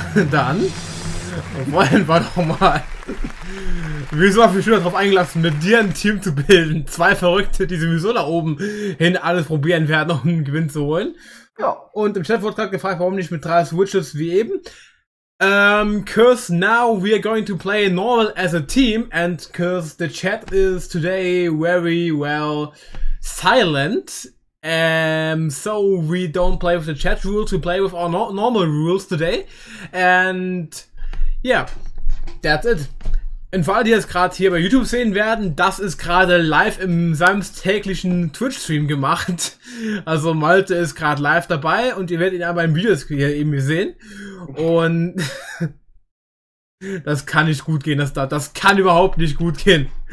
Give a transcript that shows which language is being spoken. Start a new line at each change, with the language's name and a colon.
German: Dann wollen wir doch mal. Wieso habe ich mich darauf eingelassen, mit dir ein Team zu bilden? Zwei Verrückte, die sowieso da oben hin alles probieren werden, um einen Gewinn zu holen. Ja. Und im Chat wurde gerade gefragt, warum nicht mit drei Switches wie eben.
English: Because now we are going to play normal as a team and because the chat is today very well silent. So we don't play with the chat rules, we play with our normal rules today. And yeah, that's it.
German: Und für alle, die es gerade hier bei YouTube sehen werden, das ist gerade live im samstäglichen Twitch-Stream gemacht. Also Malte ist gerade live dabei und ihr werdet ihn aber im Videoscreen hier eben sehen. Und das kann nicht gut gehen, das kann überhaupt nicht gut gehen.